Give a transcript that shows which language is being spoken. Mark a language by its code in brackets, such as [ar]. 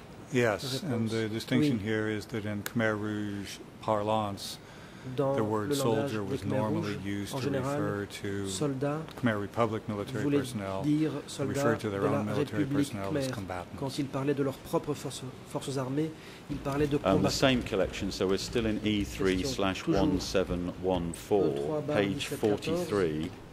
[en] Yes, and the distinction here is that in Khmer Rouge parlance, the word soldier was normally used to refer to Khmer Republic military personnel, referred to their own military personnel as combatants. [fr] Quand ils parlaient de leurs propres forces armées, ils parlaient de combattants. [en] The same collection, so we're still in E3/1714, page 43.